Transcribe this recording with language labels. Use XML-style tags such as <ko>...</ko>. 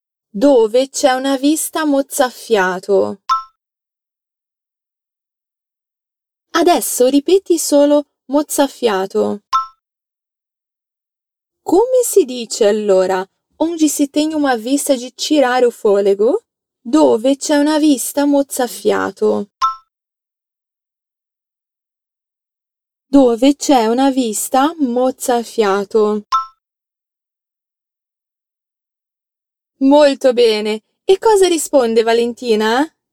<it>Dove c'è una vista mozzafiato. Adesso ripeti solo mozzafiato. Come si dice allora?</it> <pt>Onde si tem uma vista de tirar o fôlego?</pt> <it>Dove c'è una vista mozzafiato? dove c'è una vista mozzafiato. Molto bene! E cosa risponde Valentina?</it>